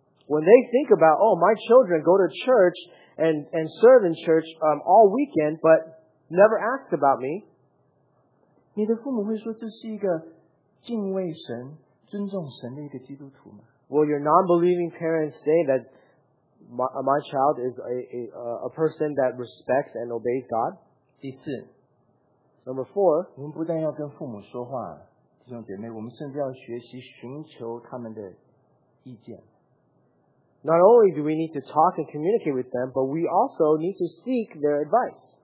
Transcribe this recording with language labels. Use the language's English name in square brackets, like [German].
[English] When they think about, oh, my children go to church and serve in church all weekend, but never ask about me. [Chinese] 你的父母会说这是一个 敬畏神，尊重神的一个基督徒吗？ [English] Will your non-believing parents say that my child is a person that respects and obeys God? [Chinese] 第四, [English] number four, [Chinese] 我们不但要跟父母说话，弟兄姐妹，我们甚至要学习寻求他们的意见。 [English] Not only do we need to talk and communicate with them, but we also need to seek their advice.